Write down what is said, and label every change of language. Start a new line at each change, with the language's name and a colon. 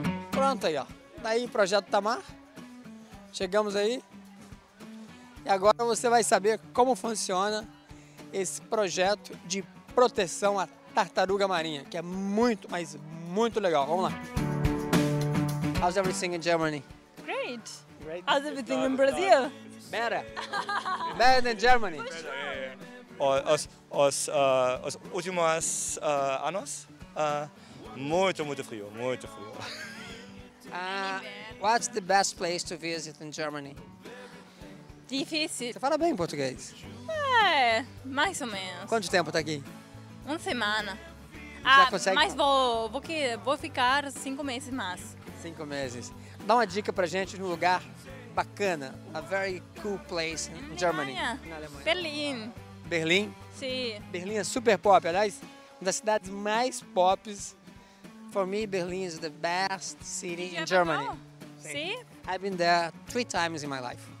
Portuguese: Pronto aí, ó. Daí Projeto Tamar. Chegamos aí. E agora você vai saber como funciona esse projeto de proteção à tartaruga marinha, que é muito, mas muito legal. Vamos lá.
English: How's everything in Germany? Great. How's everything in Brazil? Better. Better than Germany.
Portuguese: Os últimos anos, muito frio, muito frio.
English: What's the best place to visit in Germany?
Portuguese: Difícil. Você fala bem em português? É, mais ou menos. Quanto tempo tá aqui? Uma semana. Ah, já consegue? Mas vou ficar 5 meses mais. 5 meses. Dá uma dica pra gente de um lugar bacana.
English: A very cool place in Germany.
Portuguese: Na Alemanha. Berlim. Berlim? Sim. Berlim é super pop, aliás, uma das cidades mais pop.
English: For me, Berlin is the best city in Germany.
Portuguese: Sim.
English: I've been there 3 times in my life.